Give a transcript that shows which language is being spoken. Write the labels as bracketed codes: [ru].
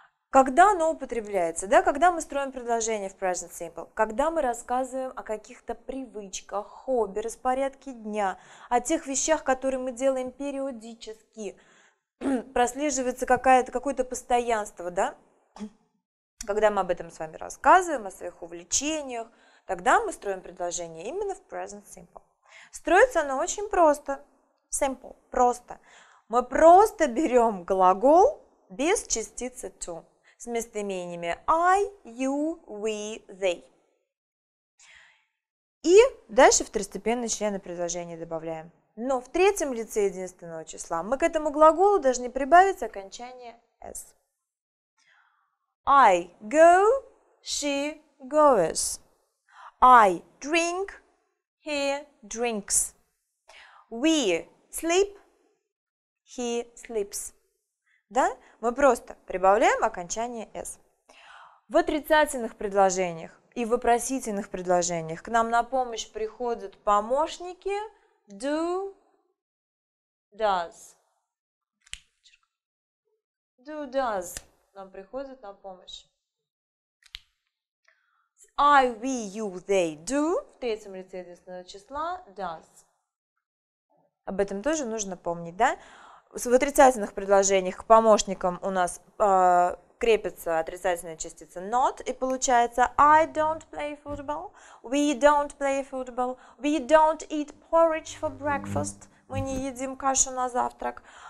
[ru] Когда оно употребляется, да, когда мы строим предложение в present simple, когда мы рассказываем о каких-то привычках, хобби, распорядке дня, о тех вещах, которые мы делаем периодически, прослеживается какое-то постоянство, да, когда мы об этом с вами рассказываем, о своих увлечениях, тогда мы строим предложение именно в present simple. Строится оно очень просто, simple, просто. Мы просто берем глагол без частицы to. С местоимениями I, you, we, they. И дальше второстепенные члены предложения добавляем. Но в третьем лице единственного числа мы к этому глаголу должны прибавить окончание s. [en] I go, she goes. I drink, he drinks. We sleep, he sleeps. Да? [ru] Мы просто прибавляем окончание s. В отрицательных предложениях и вопросительных предложениях к нам на помощь приходят помощники do, does. Do, does нам приходят на помощь. [en] I, we, you, they, do [ru] в третьем лице единственного числа [en] does. [ru] Об этом тоже нужно помнить, да? В отрицательных предложениях к помощникам у нас крепится отрицательная частица not, и получается [en] I don't play football, we don't play football, we don't eat porridge for breakfast, [ru] мы не едим кашу на завтрак.